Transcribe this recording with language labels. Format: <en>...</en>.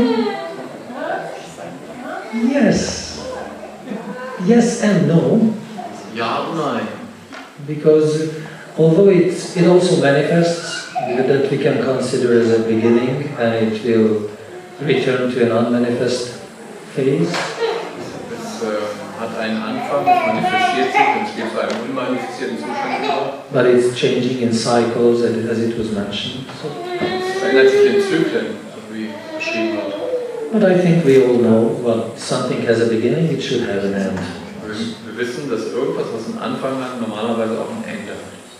<en>Yes. Yes and no.</en> <de>Ja und nein.</de> <en>Because although it also manifests that we can consider as a beginning and it will return to an unmanifest phase.</en> <de>Es hat einen Anfang, es manifestiert sich und es geht zu einem unmanifestierten Zustand über.</de> <en>But it's changing in cycles as it was mentioned. So.</en> <de>Es verändert sich in Zyklen, so wie beschrieben wird.</de> <en>But I think we all know, well, something has a beginning, it should have an end.</en> <de>Wir wissen, dass irgendwas, was einen Anfang hat, normalerweise auch ein Ende hat.</de>